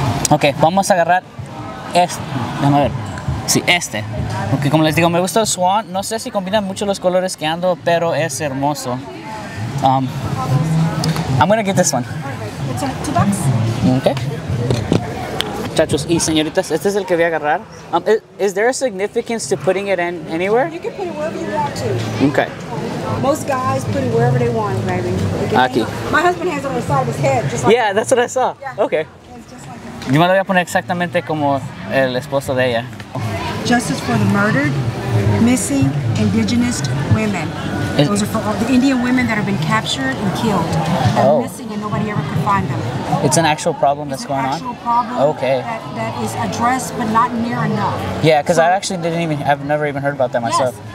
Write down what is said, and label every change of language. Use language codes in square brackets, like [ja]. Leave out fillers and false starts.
[es] Ok, vamos a agarrar este. Vamos a ver. Sí, este. Porque como les digo, me gusta el swan. No sé si combinan mucho los colores que ando, pero es hermoso. [en] I'm gonna get this one. It's $2. Okay. [es] Chachos y señoritas, este es el que voy a agarrar. [en] Is there a significance to putting it in anywhere? You can put it wherever you want to. Okay. Most guys put it wherever they want, baby. [es] Aquí. [en] My husband has it on the side of his head, just like yeah, that's what I saw. Yeah. Okay. [es] Yo me lo voy a poner exactamente como el esposo de ella. [en] Justice for the murdered, missing, indigenous women. Those are for all the Indian women that have been captured and killed. They're missing and nobody ever could find them. It's an actual problem that's going on? It's an actual problem that is addressed but not near enough. Yeah, because so, I've never even heard about that myself.